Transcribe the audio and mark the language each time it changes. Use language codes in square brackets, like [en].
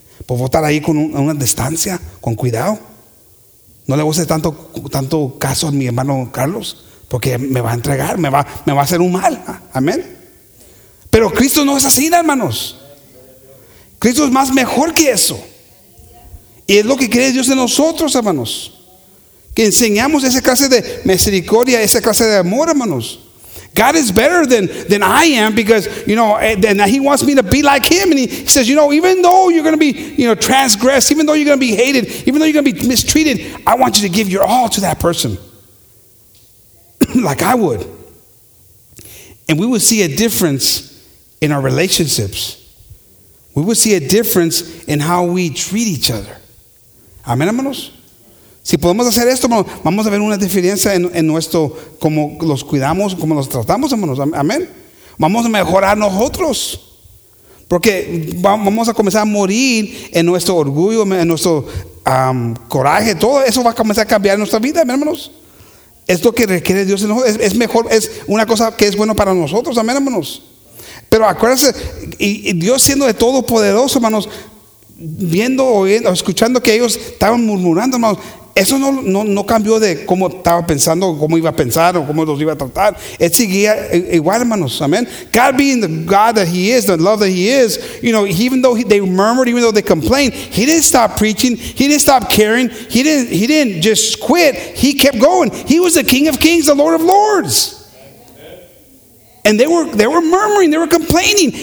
[es] ¿Por votar ahí con una distancia, con cuidado? No le voy a hacer tanto caso a mi hermano Carlos, porque me va a entregar, me va a hacer un mal. Amén. Pero Cristo no es así, hermanos. Cristo es más mejor que eso. Y es lo que cree Dios de nosotros, hermanos. Que enseñamos esa clase de misericordia, esa clase de amor, hermanos. [en] God is better than I am because, you know, then he wants me to be like him. And he says, you know, even though you're going to be, you know, transgressed, even though you're going to be hated, even though you're going to be mistreated, I want you to give your all to that person like I would. And we would see a difference in our relationships. We would see a difference in how we treat each other. [es] Amén, hermanos. Si podemos hacer esto, vamos a ver una diferencia en nuestro, cómo los cuidamos, cómo los tratamos, hermanos. Amén. Vamos a mejorar nosotros. Porque vamos a comenzar a morir en nuestro orgullo, en nuestro coraje. Todo eso va a comenzar a cambiar en nuestra vida, hermanos. Esto que requiere Dios en nosotros es mejor, es una cosa que es bueno para nosotros. Amén, hermanos. Pero acuérdense, y Dios siendo de todo poderoso, hermanos, viendo, oyendo, escuchando que ellos estaban murmurando, hermanos, eso no cambió de cómo estaba pensando, cómo iba a pensar o cómo los iba a tratar. Él seguía igual, hermanos. Amén. [en] God being the God that he is, the love that he is, you know, even though they murmured, even though they complained, he didn't stop preaching, he didn't stop caring, he didn't just quit, he kept going. He was the King of Kings, the Lord of Lords. And they were murmuring, they were complaining.